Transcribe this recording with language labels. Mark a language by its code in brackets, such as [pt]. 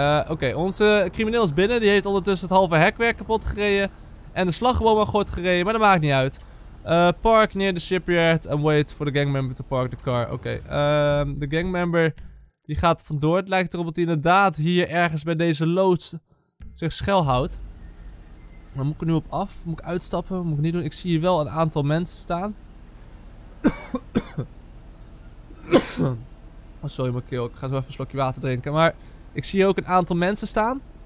[nl] Oké. Onze crimineel is binnen. Die heeft ondertussen het halve hekwerk kapot gereden. En de slagboom al goed gereden. Maar dat maakt niet uit. [en] Park near the shipyard and wait for the gangmember to park the car. [nl] Oké, de gangmember die gaat vandoor. Het lijkt erop dat hij inderdaad hier ergens bij deze loods zich schuil houdt. Maar moet ik er nu op af? Moet ik uitstappen? Moet ik niet doen? Ik zie hier wel een aantal mensen staan. Oh, sorry mijn keel. Ik ga zo even een slokje water drinken. Maar ik zie hier ook een aantal mensen staan.